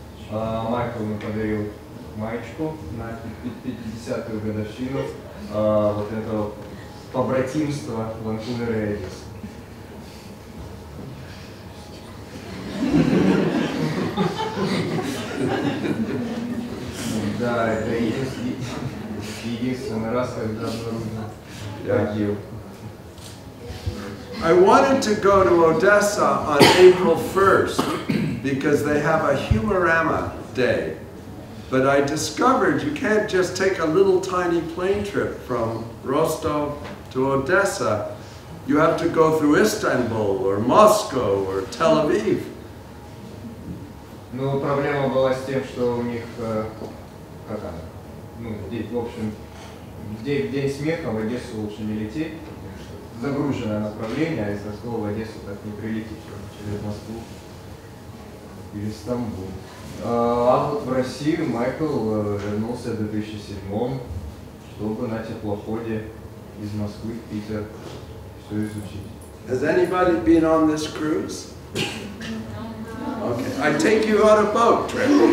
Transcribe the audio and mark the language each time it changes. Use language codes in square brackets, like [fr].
[ru] Майкл мне подарил маечку на 50-ю годовщину вот этого побратимства Ванкувера и Одессы. Да, это единственный раз, когда нужно родил. [en] I wanted to go to Odessa on April 1st because they have a Humorama day. But I discovered you can't just take a little tiny plane trip from Rostov to Odessa. You have to go through Istanbul or Moscow or Tel Aviv. [ru] Ну, проблема была с тем, что у них, как она, ну, в общем, в день смеха в Одессу лучше не лететь, загруженное направление, а из Ростова в Одессу так не прилетишь, через Москву или Стамбул. А вот в Россию Майкл вернулся в 2007, чтобы на теплоходе из Москвы в Питер все изучить. [en] Has anybody been on this cruise? Okay, I take you on a boat trip.